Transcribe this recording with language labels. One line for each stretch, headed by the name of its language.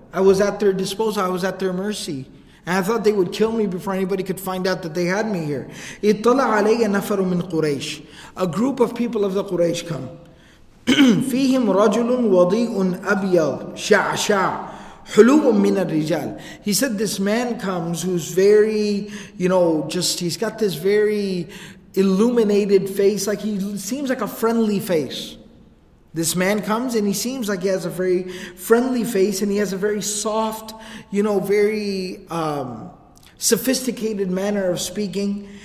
English: I was at their disposal. I was at their mercy. And I thought they would kill me before anybody could find out that they had me here.
Arabic: اِطَّلَعَ عَلَيَّ نَفَرٌ مِّن قُرَيْشِ.
English: A group of people of the Quraysh come.
Arabic: فيهم رجل وضيء أبيض شعشع حلو من الرجال.
English: He said this man comes who's very, you know, just he's got this very illuminated face, like he seems like a friendly face. This man comes and he seems like he has a very friendly face, and he has a very soft, you know, very sophisticated manner of speaking.